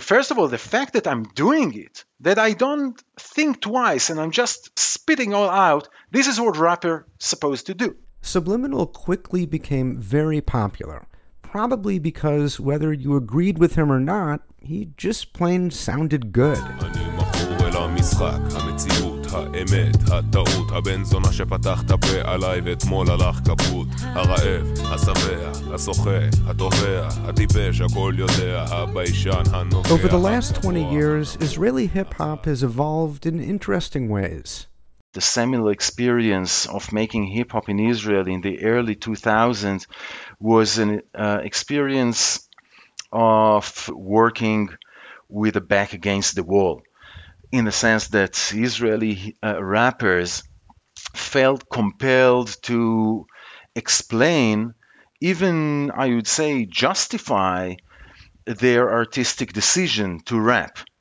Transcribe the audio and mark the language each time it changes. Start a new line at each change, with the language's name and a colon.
English: First of all, the fact that I'm doing it, that I don't think twice and I'm just spitting all out, this is what rapper supposed to do. Subliminal quickly became very popular, probably because whether you agreed with him or not, he just plain sounded good.
Hebrew: המשחק, המציאות, האמת, הטעות, הבן זונה שפתח את הפה עליי ואתמול הלך כפות, הרעב, השבע, השוחה, התובע, הטיפש, הכל יודע, הביישן, הנובע.
English: Over the last 20 years, Israeli hip-hop has evolved in interesting ways. The seminal experience of making hip-hop in Israel in the early 2000s was an experience of working with a back against the wall, in the sense that Israeli rappers felt compelled to explain, even I would say justify, their artistic decision to rap.